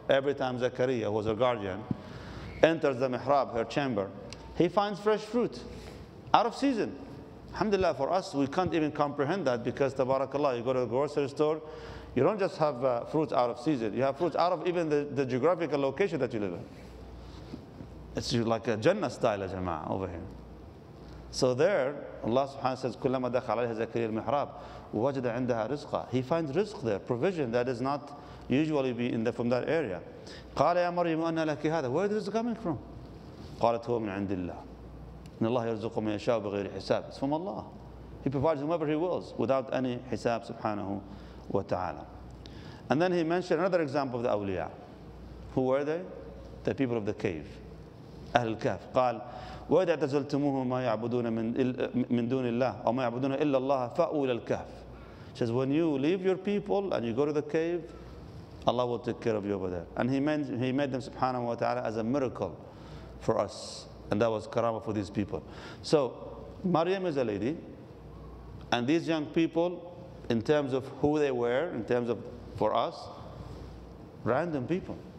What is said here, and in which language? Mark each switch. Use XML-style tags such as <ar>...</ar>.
<en>Every time Zakaria, who was her guardian, enters the mihrab, her chamber, he finds fresh fruit, out of season. Alhamdulillah, for us, we can't even comprehend that because tabarakallah, you go to the grocery store, you don't just have fruits out of season. You have fruits out of even the geographical location that you live in. It's like a Jannah style, a jama'ah over here. So there, Allah subhanahu wa ta'ala says,</en> <ar>كُلَّمَا دَخَلَ عَلَيْهَا زَكَرِيَ الْمِحْرَابِ وَجَدَ عِنْدَهَا رِزْقًا.</ar> <en>He finds rizq there, provision that is not usually be in the, from that area.</en> <ar>قَالَ يَا مَرْيَمُ أَنَّ لَكِ هَذَا.</ar> <en>Where is this coming from?</en> <ar>قَالَتْ هُوَ مِنْ عِنْدِ اللَّهِ. إِنَّ اللَّهَ يَرْزُقُ مَنْ يَشَاءُ بِغَيْرِ حِسَابٍ.</ar> <en>It's from Allah. He provides whomever he wills without any hisab, subhanahu wa ta'ala. And then he mentioned another example of the awliya. Who were they? The people of the cave. أهل الكهف.</en> <ar>قال وإذا اعتزلتموهم ما يعبدون من دون الله أو ما يعبدون إلا الله فأووا إلى الكهف.</ar> <en>Says when you leave your people and you go to the cave, Allah will take care of you over there. And he made them subhanahu wa ta'ala as a miracle for us, and that was karama for these people. So Maryam is a lady, and these young people, in terms of who they were, in terms of for us, random people.</en>